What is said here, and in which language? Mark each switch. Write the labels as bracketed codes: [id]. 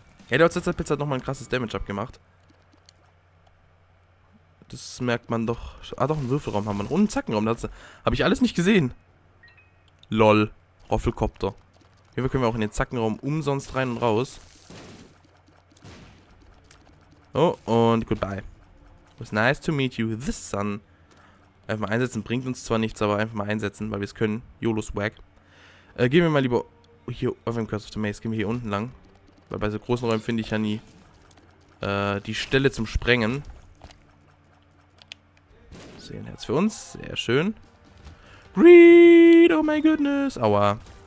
[de] Ja, der OZZ-Pilz hat nochmal ein krasses Damage abgemacht. Das merkt man doch. Ah, doch, einen Würfelraum haben wir. Und einen Zackenraum. Da habe ich alles nicht gesehen. LOL, Roffelkopter. Hier können wir auch in den Zackenraum umsonst rein und raus. Oh, und goodbye. [en] It was nice to meet you, the sun. [de] Einfach mal einsetzen, bringt uns zwar nichts, aber einfach mal einsetzen, weil wir es können. YOLO Swag. Gehen wir mal lieber hier auf dem Curse of the Maze, gehen wir hier unten lang. Weil bei so großen Räumen finde ich ja nie die Stelle zum Sprengen. Sehen jetzt für uns, sehr schön. Reed, [en] oh my goodness. [de] Aua.